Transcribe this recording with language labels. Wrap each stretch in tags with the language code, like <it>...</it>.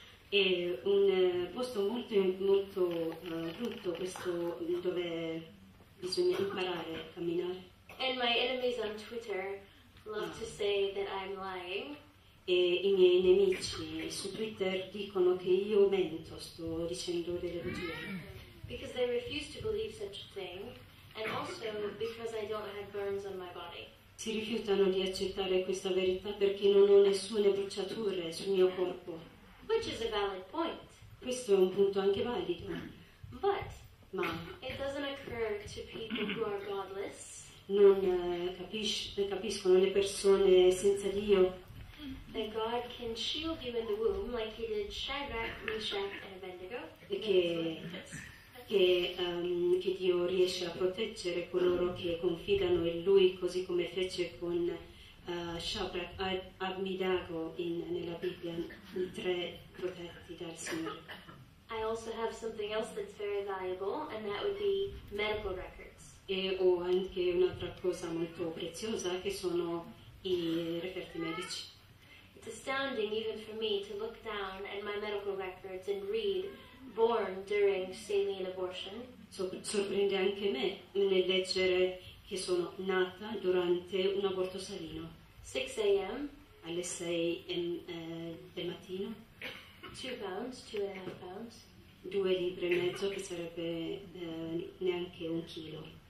<it>È un posto molto molto brutto, questo dove bisogna imparare a camminare.</it> <en>And my enemies on Twitter love to say that I'm lying.</en> <it>E i miei nemici su Twitter dicono che io mento, sto dicendo delle bugie.</it> <en>Because they refuse to believe such a thing, and also because I don't have burns on my body.</en> <it>Si rifiutano di accettare questa verità perché non ho nessune bruciature sul mio corpo.</it> <en>Which is a valid point.</en> <it>Questo è un punto anche valido.</it> <en>But</en> <it>ma</it> <en>it doesn't occur to people who are godless.</en> <it>Non capiscono le persone senza Dio.</it> <en>That God can shield you in the womb like he did Shadrach, Meshach, and Abednego.</en> <it>Che Dio riesce a proteggere coloro che confidano in Lui, così come fece con Shadrach, Abednego nella Bibbia, i tre protetti dal Signore.</it> <en>I also have something else that's very valuable, and that would be medical records.</en> <it>E ho anche un'altra cosa molto preziosa, che sono i reperti medici.</it> <en>It's astounding even for me to look down at my medical records and read born during saline abortion.</en> <it>Sorprende anche me nel leggere che sono nata durante un aborto salino.</it> <en>6 a.m.</en> <it>alle 6 del mattino.</it> <en>2 pounds, 2.5 pounds.</en> <it>2 libbre e mezzo, che sarebbe neanche un chilo.</it>